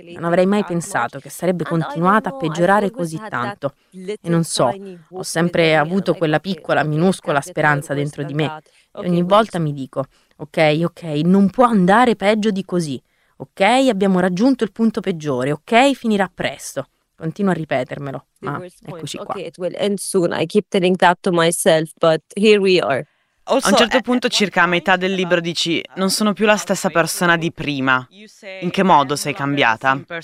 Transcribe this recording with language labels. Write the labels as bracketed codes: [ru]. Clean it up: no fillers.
[it] Non avrei mai pensato che sarebbe continuata a peggiorare così tanto. E non so, ho sempre avuto quella piccola, minuscola speranza dentro di me. E ogni volta mi dico, ok, non può andare peggio di così. Ok, abbiamo raggiunto il punto peggiore. Ok, finirà presto. Continuo a ripetermelo, ma eccoci qua. [en] Okay, it will end soon. I keep telling that to myself, but here we are. [it] A un certo punto, circa a metà del libro, dici: non sono più la stessa persona di prima. In che modo sei cambiata?